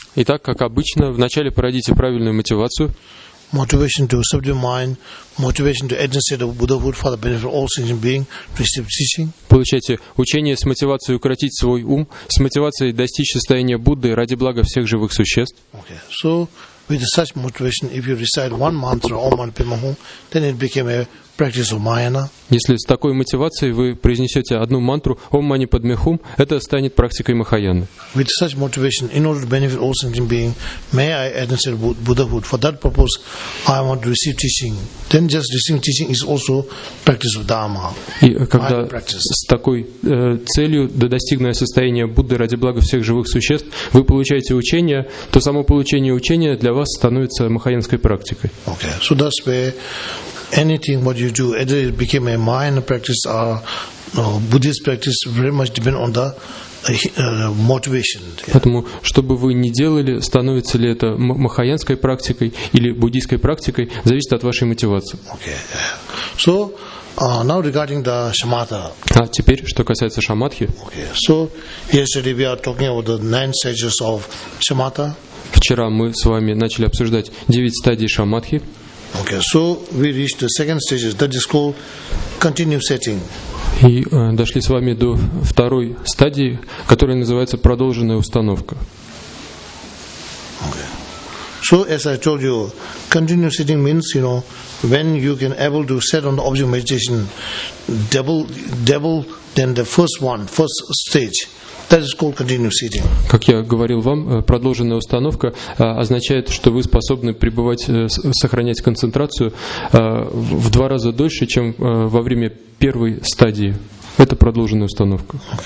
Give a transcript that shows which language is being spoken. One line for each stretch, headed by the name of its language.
Russian: Итак, как обычно, вначале породите правильную мотивацию.
English: Motivation to subdue mind, motivation to agency of Buddhahood for the benefit of all sentient beings, receive teaching.
Russian: Получайте учение с мотивацией укротить свой ум, с мотивацией достичь состояния Будды ради блага всех живых существ.
English: Okay. So, with such motivation, if you recite one mantra, Om Mani Padme Hum, then it became a practice of Mayana.
Russian: Если с такой мотивацией вы произнесете одну мантру Om Mani Padme Hum, это станет практикой Махаяны.
English: With such motivation, in order to benefit all sentient beings, may I enter Buddhahood. For that purpose, I want to receive teaching. Then just receiving teaching is also practice of Dharma.
Russian: И когда с такой целью достигнуть состояния Будды ради блага всех живых существ, вы получаете учение, то само получение учения для вас становится махаянской практикой.
English: Okay, so that's where anything what you do, either it became a Mahayana practice or Buddhist practice, very much depend on the motivation.
Russian: Поэтому, что бы вы ни делали, становится ли это махаянской практикой или буддийской практикой, зависит от вашей мотивации.
English: Okay. So, now regarding the shamatha.
Russian: А теперь, что касается шамадхи.
English: Okay. So, yesterday we are talking about the nine stages of shamatha.
Russian: Вчера мы с вами начали обсуждать 9 стадий шамадхи.
English: Okay, so we reached the second stage, that is called continuous setting.
Russian: И дошли с вами до второй стадии, которая называется продолженная установка.
English: Okay. So, as I told you, continuous setting means, you know, when you can able to set on the object meditation double than the first one, first stage. That is called continuous sitting.
Russian: Как я говорил вам, продолженная установка означает, что вы способны пребывать, сохранять концентрацию в два раза дольше, чем во время первой стадии. Это продолженная установка.